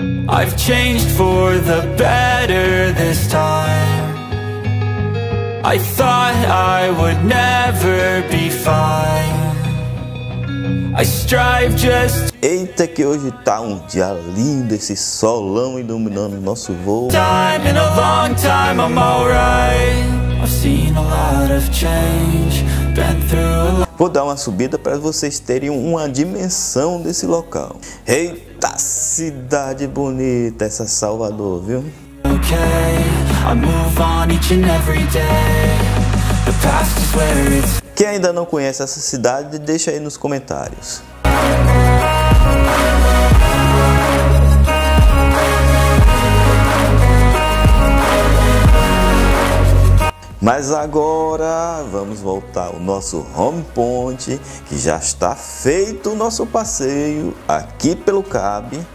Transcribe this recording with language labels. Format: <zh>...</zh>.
<en>I've changed for the better this time. I thought I would never be fine. I strive just.</en> <pt>Eita, que hoje tá um dia lindo, esse solão iluminando nosso voo.</pt> <en>Time in a long time I'm alright. I've seen a lot of change, been through a lot.</en> <pt>Vou dar uma subida para vocês terem uma dimensão desse local. Eita, cidade bonita essa Salvador, viu?</pt> <en>Okay, I move on each and every day. The past is where it's.</en> <pt>Quem ainda não conhece essa cidade, deixa aí nos comentários. Mas agora vamos voltar ao nosso home point, que já está feito o nosso passeio aqui pelo CAB.</pt>